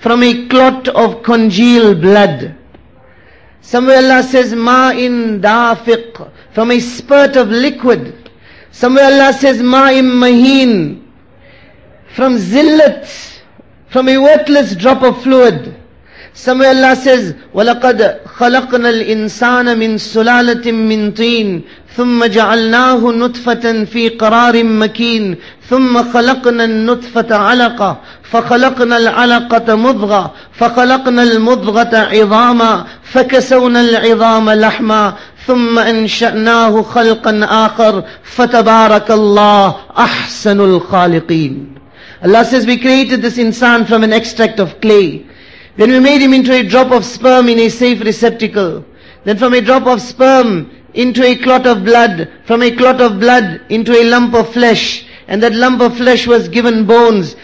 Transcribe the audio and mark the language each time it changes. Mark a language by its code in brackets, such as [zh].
[en] From a clot of congealed blood. Somewhere Allah says, [ar] مَا إِنْ دَافِقٍ. [en] From a spurt of liquid. Somewhere Allah says, [ar] مَا إِنْ مَهِينٍ. [en] From zillat. From a worthless drop of fluid. [ar] Somewhere Allah says, وَلَقَدْ خَلَقْنَا الْإِنسَانَ مِنْ سُلَالَةٍ مِنْ طِينٍ ثُمَّ جَعَلْنَاهُ نُطْفَةً فِي قَرَارٍ مَكِينٍ ثُمَّ خَلَقْنَا النُطْفَةَ عَلَقَةً فَخَلَقْنَا الْعَلَقَةَ مُضْغَةً فَخَلَقْنَا الْمُضْغَةَ عِظَامًا فَكَسَوْنَا الْعِظَامَ لَحْمًا ثُمَّ أَنْشَأْنَاهُ خَلْقًا آخَرَ فَتَبَارَكَ اللَّهُ أَحْسَنُ الْخَالِقِينَ. [en] Allah says, we created this insan from an extract of clay. Then we made him into a drop of sperm in a safe receptacle. Then from a drop of sperm into a clot of blood. From a clot of blood into a lump of flesh. And that lump of flesh was given bones.